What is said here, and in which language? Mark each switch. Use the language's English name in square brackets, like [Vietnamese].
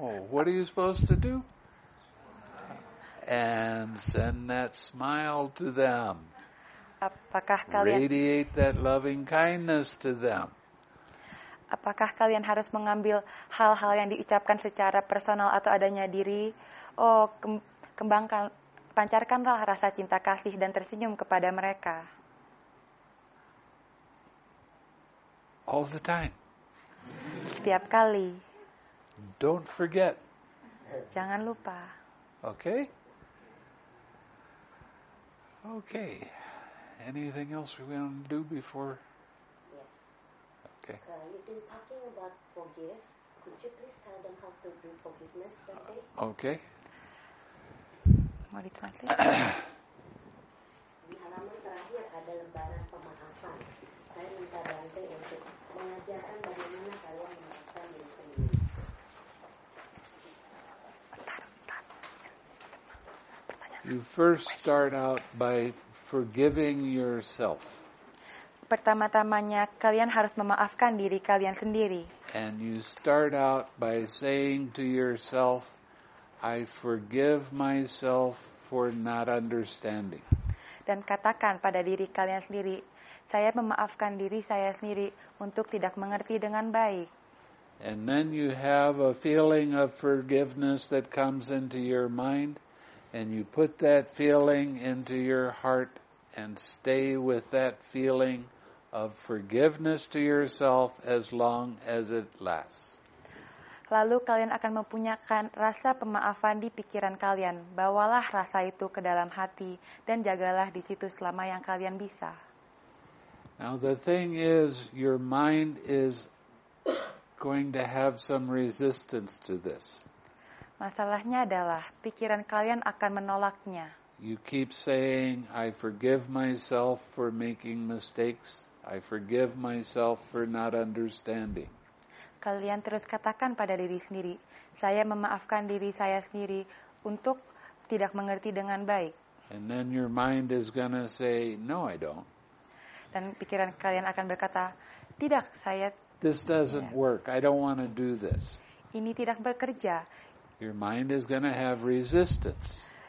[English] What are you supposed to do? And send that smile to them. [Indonesian] Apakah kalian [English] radiate that loving kindness to them? [Indonesian] Apakah kalian harus mengambil hal-hal yang diucapkan secara personal atau adanya diri? Oh, kembangkan, pancarkanlah rasa cinta kasih dan tersenyum kepada mereka. [English] All the time. [Indonesian] Setiap kali. [English] Don't forget. [Indonesian] Jangan lupa. [English] Okay? Okay. Anything else we want to do before? Yes. Okay. You've been talking about forgive. Could you please tell them how to do forgiveness that day? Okay. [Indonesian] Mari kita lihat. Di halaman terakhir ada lembaran pemaafan. Saya minta Dante untuk mengajarkan bagaimana kalian memaafkan diri sendiri. [English] You first start out by forgiving yourself. [Indonesian] Pertama-tamanya kalian harus memaafkan diri kalian sendiri. [English] And you start out by saying to yourself, I forgive myself for not understanding. [Indonesian] Dan katakan pada diri kalian sendiri, saya memaafkan diri saya sendiri untuk tidak mengerti dengan baik. [English] And then you have a feeling of forgiveness that comes into your mind. And you put that feeling into your heart and stay with that feeling of forgiveness to yourself as long as it lasts. [Indonesian] Lalu kalian akan mempunyakan rasa pemaafan di pikiran kalian. Bawalah rasa itu ke dalam hati dan jagalah di situ selama yang kalian bisa. [English] Now the thing is, your mind is going to have some resistance to this. [Indonesian] Masalahnya adalah pikiran kalian akan menolaknya. [English] You keep saying, I forgive myself for making mistakes. I forgive myself for not understanding. [Indonesian] Kalian terus katakan pada diri sendiri, saya memaafkan diri saya sendiri untuk tidak mengerti dengan baik. [English] And then your mind is gonna say, no, I don't. [Indonesian] Dan pikiran kalian akan berkata, tidak, saya. [English] This doesn't work. I don't want to do this. [Indonesian] Ini tidak bekerja. [English] Your mind is going to have resistance.